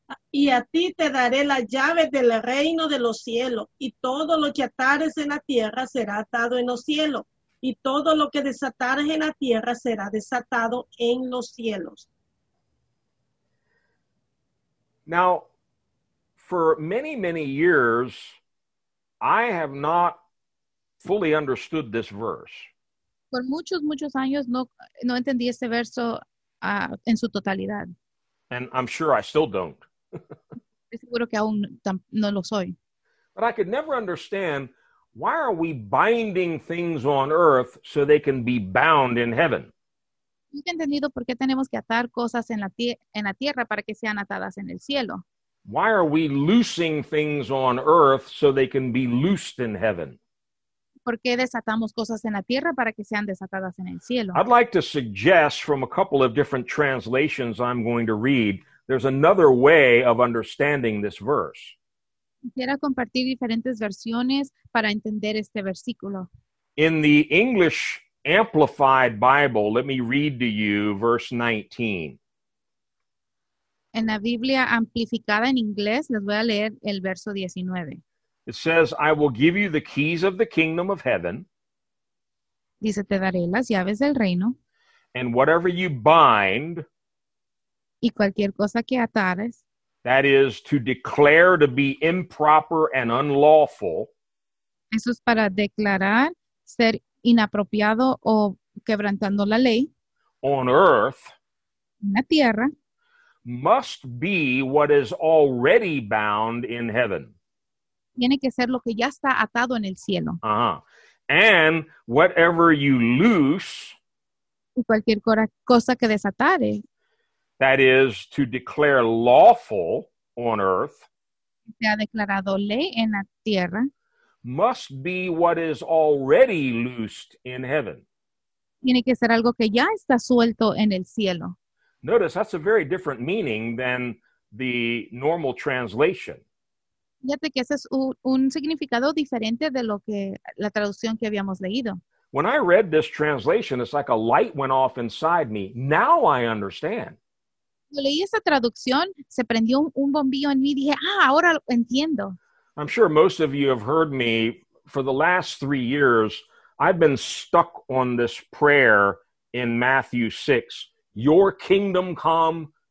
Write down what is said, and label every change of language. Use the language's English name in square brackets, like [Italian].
[Spanish] Y a ti te daré las llaves del reino de los cielos, y todo lo que atares en la tierra será atado en los cielos, y todo lo que desatares en la tierra será desatado en los cielos. [English] Now, for many, many years, I have not fully understood this verse. [Spanish] Por muchos, muchos años no entendí este verso en su totalidad. [English] And I'm sure I still don't. [Spanish] Seguro que aún no lo soy. [English] But I could never understand why are we binding things on earth so they can be bound in heaven. [Spanish] Nunca he entendido por qué tenemos que atar cosas en la tierra para que sean atadas en el cielo. [English] Why are we loosing things on earth so they can be loosed in heaven? [Spanish] ¿Por qué desatamos cosas en la tierra para que sean desatadas en el cielo? [English] I'd like to suggest from a couple of different translations I'm going to read. There's another way of understanding this verse. [Spanish] Quisiera compartir diferentes versiones para entender este versículo. [English] In the English Amplified Bible, let me read to you verse 19. [Spanish] En la Biblia Amplificada en inglés, les voy a leer el verso 19. [English] It says, I will give you the keys of the kingdom of heaven. [Spanish] Dice, te daré las llaves del reino. [English] And whatever you bind, [Spanish] y cualquier cosa que atares, [English] that is to declare to be improper and unlawful, [Spanish] eso es para declarar ser inapropiado o quebrantando la ley, [English] on earth, [Spanish] en la tierra, [English] must be what is already bound in heaven. [Spanish] Tiene que ser lo que ya está atado en el cielo. [English] Uh-huh. And whatever you loose, [Spanish] y cualquier cosa que desatare, [English] that is to declare lawful on earth, [Spanish] se ha declarado ley en la tierra, [English] must be what is already loosed in heaven. [Spanish] Tiene que ser algo que ya está suelto en el cielo. [English] Notice that's a very different meaning than the normal translation. [Spanish] Fíjate que ese es un significado diferente de lo que la traducción que habíamos leído. [English] When I read this translation, it's like a light went off inside me. Now I understand. [Spanish] Cuando leí esa traducción, se prendió un bombillo en mí y dije, ahora lo entiendo. [English] I'm sure most of you have heard me. For the last 3 years, I've been stuck on this prayer in Matthew 6. Your kingdom come,